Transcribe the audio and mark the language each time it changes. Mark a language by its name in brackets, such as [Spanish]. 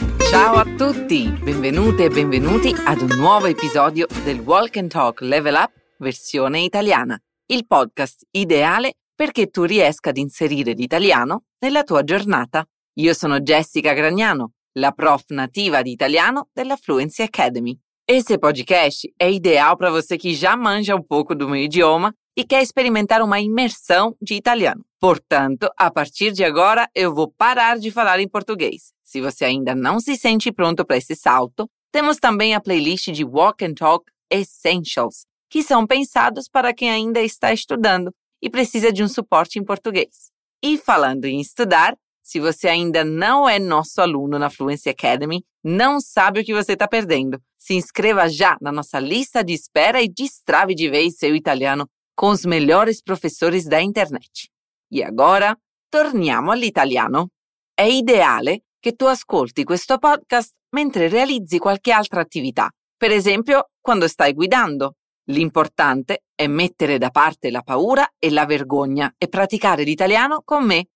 [Italian] Ciao a tutti, benvenute e benvenuti ad un nuovo episodio del Walk and Talk Level Up versione italiana, il podcast ideale perché tu riesca ad inserire l'italiano nella tua giornata. Io sono Jessica Gragnano, la prof nativa di italiano della Fluency Academy. [Portuguese] E se podcast è ideale per você che già mangia un poco do meu idioma e quer experimentar uma imersão de italiano. Portanto, a partir de agora, eu vou parar de falar em português. Se você ainda não se sente pronto para esse salto, temos também a playlist de Walk and Talk Essentials, que são pensados para quem ainda está estudando e precisa de um suporte em português. E falando em estudar, se você ainda não é nosso aluno na Fluency Academy, não sabe o que você está perdendo. Se inscreva já na nossa lista de espera e destrave de vez seu italiano com os melhores professores da internet. E agora, [Italian] torniamo all'italiano. È ideale che tu ascolti questo podcast mentre realizzi qualche altra attività, per esempio quando stai guidando. L'importante è mettere da parte la paura e la vergogna e praticare l'italiano con me.